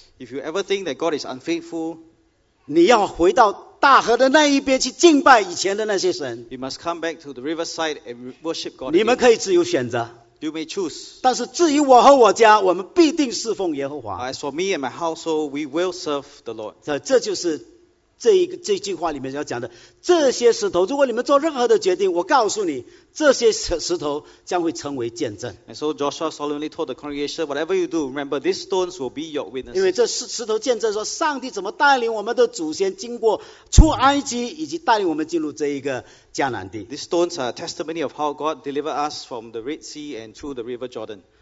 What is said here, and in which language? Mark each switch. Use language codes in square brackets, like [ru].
[en] if you ever think that God is unfaithful, [zh] 你要回到大河的那一边去敬拜以前的那些神, [en] you must come back to the riverside and worship God. [zh] 你们可以自由选择, [en] you may choose. [zh] 但是至于我和我家, 我们必定侍奉耶和华。 [en] As for me and my household, we will serve the Lord. [zh] 这就是 这句话里面要讲的, 这些石头, 如果你们做任何的决定, 我告诉你, 这些石头将会成为见证。 [en] And so Joshua solemnly told the congregation, whatever you do, remember these stones will be your witnesses. [zh] 因为这石头见证说, 上帝怎么带领我们的祖先经过出埃及, 以及带领我们进入这一个迦南地。 [en] These stones are a testimony of how God delivered us from the Red Sea and through the River Jordan.